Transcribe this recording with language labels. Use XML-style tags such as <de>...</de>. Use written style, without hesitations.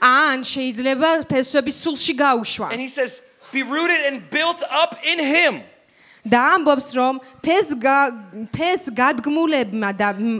<ka>ან შეიძლება ფესვები სულში გაუშვა.</ka> <en>And he says, be rooted and built up in him.</en> <ka>და ამბობს, რომ ფეს გადგმულებმა და</ka>